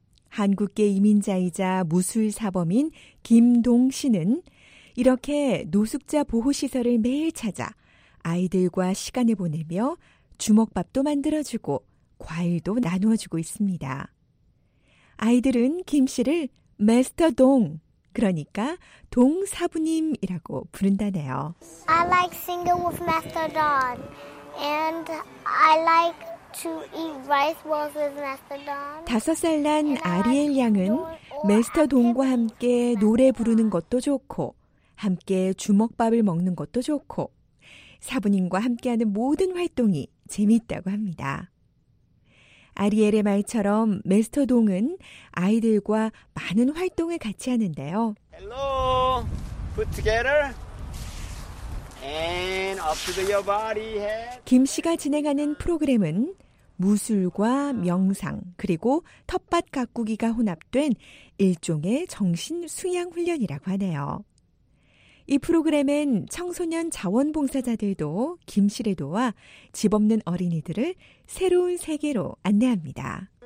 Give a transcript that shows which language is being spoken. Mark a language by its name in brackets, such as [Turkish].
[Korean] 한국계 이민자이자 무술사범인 김동 씨는 이렇게 노숙자 보호시설을 매일 찾아 아이들과 시간을 보내며 주먹밥도 만들어주고 과일도 나누어주고 있습니다. 아이들은 김 씨를 메스터 동, 그러니까 동사부님이라고 부른다네요. [English] I like singing with Master Don. And I like to eat rice balls with Master Don. [Korean] 다섯 살 난 아리엘 양은 메스터 동과 함께 노래 부르는 것도 좋고 함께 주먹밥을 먹는 것도 좋고 사부님과 함께하는 모든 활동이 재미있다고 합니다. 아리엘의 말처럼 메스터 동은 아이들과 많은 활동을 같이 하는데요. [English] Hello, put together and up to your body. [Korean] 김 씨가 진행하는 프로그램은 무술과 명상 그리고 텃밭 가꾸기가 혼합된 일종의 정신 수양 훈련이라고 하네요. 이 프로그램엔 청소년 자원봉사자들도 김 씨를 도와 집 없는 어린이들을 새로운 세계로 안내합니다.